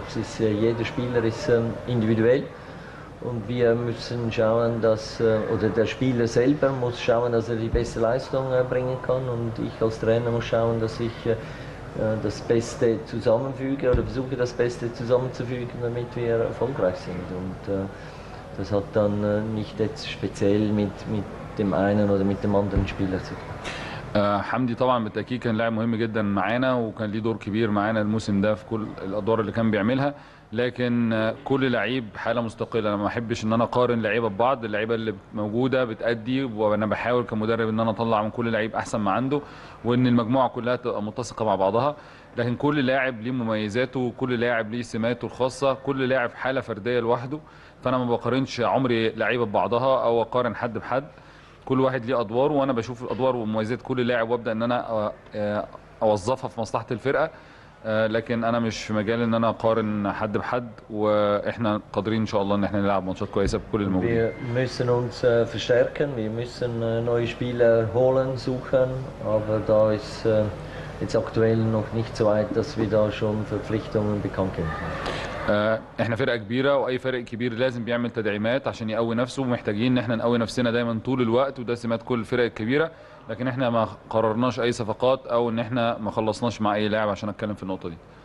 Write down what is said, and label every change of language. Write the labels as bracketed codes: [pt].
[de] Es ist, jeder Spieler ist individuell und wir müssen schauen, dass, oder der Spieler selber muss schauen, dass er die beste Leistung bringen kann und ich als Trainer muss schauen, dass ich das Beste zusammenfüge oder versuche, das Beste zusammenzufügen, damit wir erfolgreich sind. Und das hat dann nicht jetzt speziell mit dem einen oder mit dem anderen Spieler zu tun. [ar] حمدي طبعا بالتاكيد كان لاعب مهم جدا معانا وكان ليه دور كبير معانا الموسم ده في كل الادوار اللي كان بيعملها، لكن كل لعيب حاله مستقله. انا ما احبش ان انا اقارن لعيبه ببعض، اللعيبه اللي موجوده بتادي وانا بحاول كمدرب ان انا اطلع من كل لعيب احسن ما عنده وان المجموعه كلها تبقى متسقه مع بعضها، لكن كل لاعب ليه مميزاته وكل لاعب ليه سماته الخاصه، كل لاعب حاله فرديه لوحده. فانا ما بقارنش عمري لعيبه ببعضها او اقارن حد بحد، كل واحد ليه ادواره وانا بشوف الادوار ومميزات كل لاعب وابدا ان انا اوظفها في مصلحه الفرقه، لكن انا مش في مجال ان انا اقارن حد بحد، واحنا قادرين ان شاء الله ان احنا نلعب ماتشات كويسه بكل الموجودين. [de] Wir müssen uns verstärken, wir müssen neue Spieler holen, suchen, aber da ist jetzt aktuell noch nicht so weit, dass wir da schon Verpflichtungen bekannt geben. [ar] احنا فرقة كبيرة واي فريق كبير لازم بيعمل تدعيمات عشان يقوي نفسه، ومحتاجين ان احنا نقوي نفسنا دايما طول الوقت، وده سمات كل الفرق الكبيرة، لكن احنا ما قررناش اي صفقات او ان احنا ما خلصناش مع اي لاعب عشان اتكلم في النقطة دي.